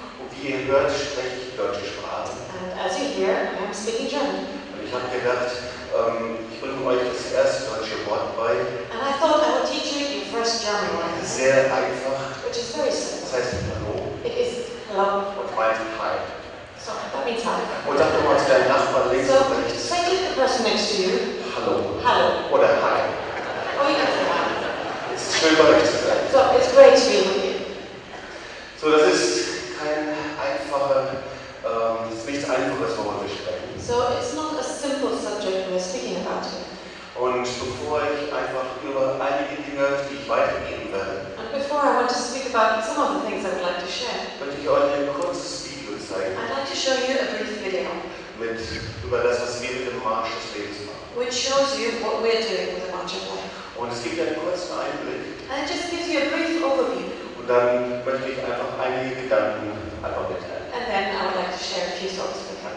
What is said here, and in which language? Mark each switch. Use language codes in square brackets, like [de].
[de] Und wie ihr hört, spreche ich deutsche Sprache. [en] And as you hear, I'm speaking German. [de] Und ich habe gedacht, ich bringe euch das erste deutsche Wort bei. [en] And I thought I would teach you your first German word. [de] Sehr einfach. [en] Which is very simple. [de] Das heißt Hallo. [en] It is Hello. [de] Und meint Hi. [en] So, that means Hi. [de] Und dachte mal zu deinem Nachbarn links so, und rechts. [en] So, say to the person next to you. [de] Hallo. Hallo. Oder Hi. [en] Oh, you can say Hi. [de] Es ist schön, bei euch zu sein. [en] So, it's great to be with you. [de] So, das ist kein einfacher, das ist nichts Einfaches, worüber wir sprechen. [en] So, it's not a simple subject we're speaking about here. [de] Und bevor ich einfach über einige Dinge, die ich weitergeben werde, [en] and before I want to speak about some of the things I'd like to share, [de] möchte ich euch ein kurzes Video zeigen. [en] I'd like to show you a brief video. [de] Mit, über das, was wir mit dem Marsch des Lebens machen. [en] Which shows you what we're doing with the March of Life. [de] Und es gibt einen kurzen Einblick. [en] And it just gives you a brief overview. [de] Und dann möchte ich einfach einige Gedanken einfach mitteilen. [en] And then I would like to share a few thoughts with you.